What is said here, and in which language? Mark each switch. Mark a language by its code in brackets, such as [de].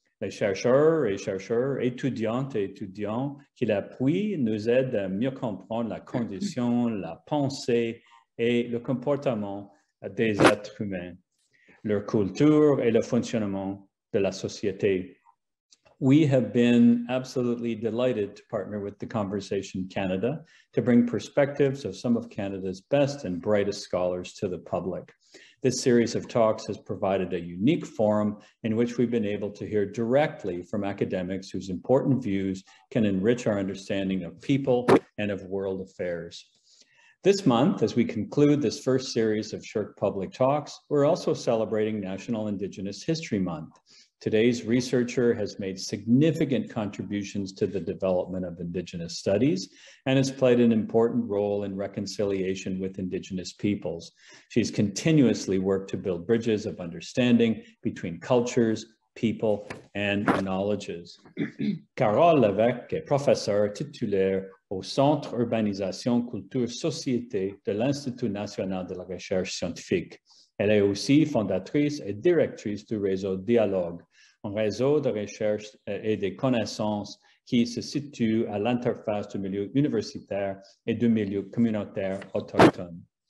[fr] Les chercheurs et chercheurs, étudiantes et étudiants qui l'appuient nous aident à mieux comprendre la condition, la pensée et le comportement des êtres humains, leur culture et le fonctionnement de la société. [en] We have been absolutely delighted to partner with the Conversation Canada to bring perspectives of some of Canada's best and brightest scholars to the public. This series of talks has provided a unique forum in which we've been able to hear directly from academics whose important views can enrich our understanding of people and of world affairs. This month, as we conclude this first series of short public talks, we're also celebrating National Indigenous History Month. Today's researcher has made significant contributions to the development of Indigenous studies and has played an important role in reconciliation with Indigenous peoples. She's continuously worked to build bridges of understanding between cultures, people, and knowledges. [fr] Carole Lévesque est professeure titulaire au Centre Urbanisation Culture Société de l'Institut National de la Recherche Scientifique. Elle est aussi fondatrice et directrice du réseau Dialogue, un réseau de recherche et de connaissances qui se situe à l'interface du milieu universitaire et du milieu communautaire autochtone.